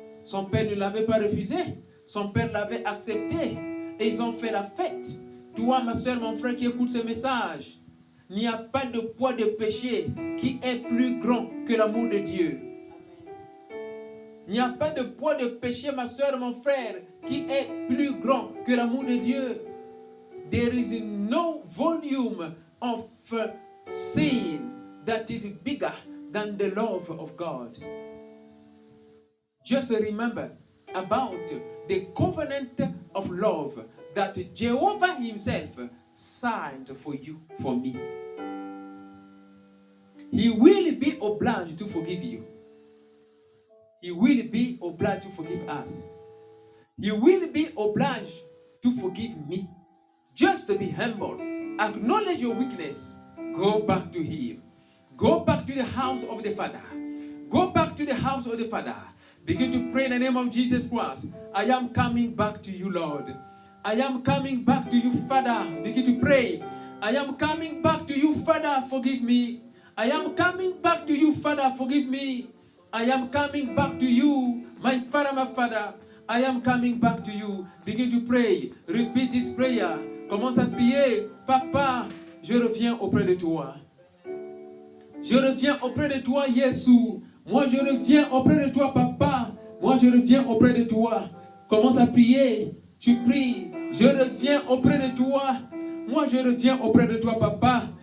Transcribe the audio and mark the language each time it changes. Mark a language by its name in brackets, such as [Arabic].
[French] Son père ne l'avait pas refusé, son père l'avait accepté et ils ont fait la fête. Toi, ma soeur, mon frère, qui écoute ce message, il n'y a pas de poids de péché qui est plus grand que l'amour de Dieu. Il n'y a pas de poids de péché, ma soeur, mon frère, qui est plus grand que l'amour de Dieu. [English] There is no volume of sin that is bigger than the love of God. Just remember about the covenant of love that Jehovah himself signed for you, for me. He will be obliged to forgive you. He will be obliged to forgive us. He will be obliged to forgive me. Just be humble. Acknowledge your weakness. Go back to him. Go back to the house of the Father. Go back to the house of the Father. Begin to pray in the name of Jesus Christ. I am coming back to you, Lord. I am coming back to you, Father. Begin to pray. I am coming back to you, Father. Forgive me. I am coming back to you, Father. Forgive me. I am coming back to you, my father, I am coming back to you. Begin to pray, repeat this prayer. [French] Commence à prier, papa, je reviens auprès de toi. Je reviens auprès de toi, Yesu. Moi, je reviens auprès de toi, papa. Moi, je reviens auprès de toi. Commence à prier, tu pries. Je reviens auprès de toi. Moi, je reviens auprès de toi, papa.